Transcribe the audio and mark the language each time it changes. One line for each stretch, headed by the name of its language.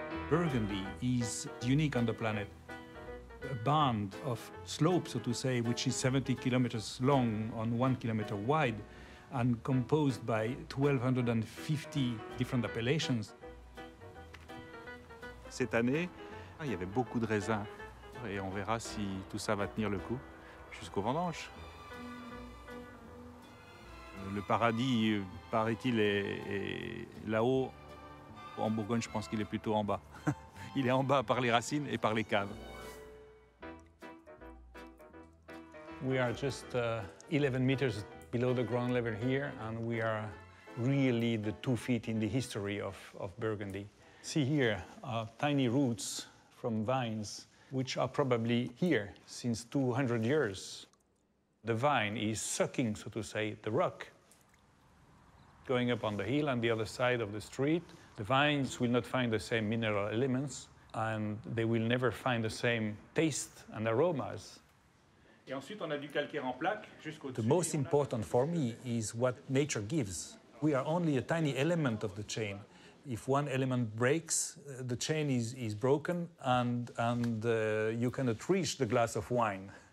English: Burgundy is unique on the planet. A band of slope, so to say, which is 70 kilometers long on 1 kilometer wide, and composed by 1,250 different appellations.
French: Cette année, il y avait beaucoup de raisins. Et on verra si tout ça va tenir le coup jusqu'aux vendanges. Le paradis, paraît-il, est là-haut. En Bourgogne, je pense qu'il est plutôt en bas. Il est en bas par les racines et par les caves.
English: We are just 11 meters below the ground level here, and we are really the 2 feet in the history of Burgundy. See here, tiny roots from vines, which are probably here since 200 years. The vine is sucking, so to say, the rock. Going up on the hill on the other side of the street, the vines will not find the same mineral elements, and they will never find the same taste and aromas.
French: Et ensuite, on a du calcaire en plaque jusqu'au
English: The most important for me is what nature gives. We are only a tiny element of the chain. If one element breaks, the chain is broken, and you cannot reach the glass of wine.